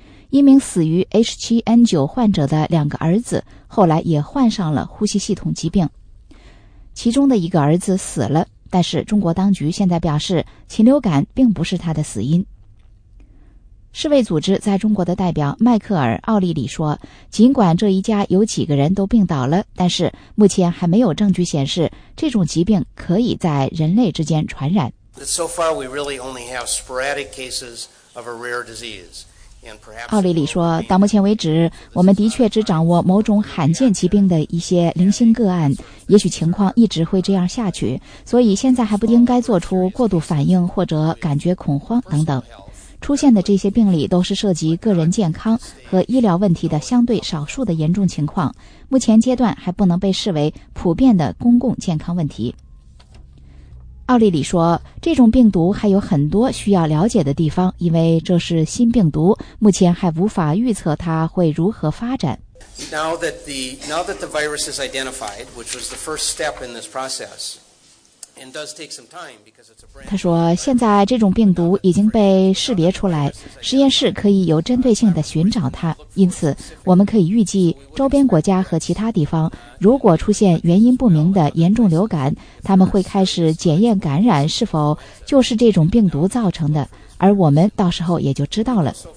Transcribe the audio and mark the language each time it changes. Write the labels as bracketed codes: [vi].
[zh] 一名死于 H7N9 患者的两个儿子后来也患上了呼吸系统疾病，其中的一个儿子死了，但是中国当局现在表示禽流感并不是他的死因。世卫组织在中国的代表迈克尔·奥利里说，尽管这一家有几个人都病倒了，但是目前还没有证据显示这种疾病可以在人类之间传染。 [en] So far we really only have sporadic cases of a rare disease. [zh] 奥利里说，到目前为止我们的确只掌握某种罕见疾病的一些零星个案，也许情况一直会这样下去，所以现在还不应该做出过度反应或者感觉恐慌等等。出现的这些病例都是涉及个人健康和医疗问题的相对少数的严重情况，目前阶段还不能被视为普遍的公共健康问题。奥利里说，这种病毒还有很多需要了解的地方，因为这是新病毒，目前还无法预测它会如何发展。 [en] Now that the virus is identified, which was the first step in this process, and does take some time because it's a brand. [zh] 他说，现在这种病毒已经被识别出来，实验室可以有针对性的寻找它，因此我们可以预计周边国家和其他地方如果出现原因不明的严重流感，他们会开始检验感染是否就是这种病毒造成的，而我们到时候也就知道了。